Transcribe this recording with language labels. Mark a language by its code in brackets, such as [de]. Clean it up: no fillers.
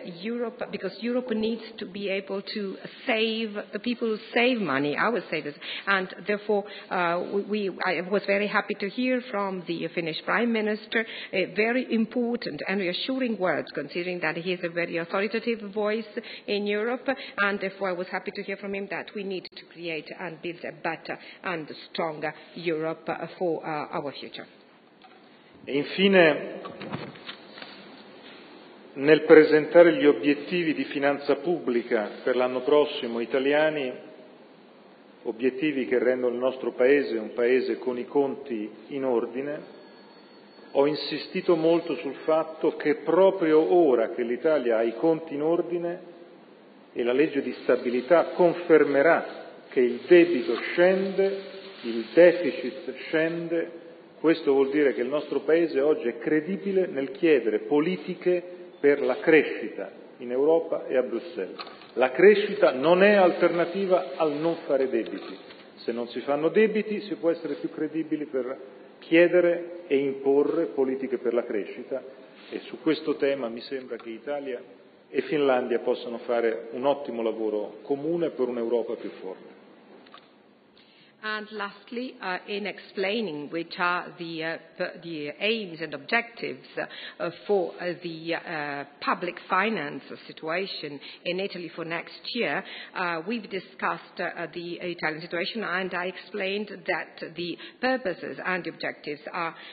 [en] Europe, because Europe needs to be able to save the people who save money, our savers, and therefore I was very happy to hear from the Finnish Prime Minister a very important and reassuring words, considering that he is a very authoritative voice in Europe, and therefore I was happy to hear from him that we need to create and build a better and stronger Europe for our future. [it] E infine, nel presentare gli obiettivi di finanza pubblica per l'anno prossimo italiani, obiettivi che rendono il nostro Paese un Paese con i conti in ordine, ho insistito molto sul fatto che proprio ora che l'Italia ha i conti in ordine e la legge di stabilità confermerà che il debito scende, il deficit scende, questo vuol dire che il nostro Paese oggi è credibile nel chiedere politiche per la crescita in Europa e a Bruxelles. La crescita non è alternativa al non fare debiti. Se non si fanno debiti, si può essere più credibili per chiedere e imporre politiche per la crescita, e su questo tema mi sembra che Italia e Finlandia possano fare un ottimo lavoro comune per un'Europa più forte. [en] And lastly, in explaining which are the aims and objectives for the public finance situation in Italy for next year, we've discussed the Italian situation, and I explained that the purposes and objectives are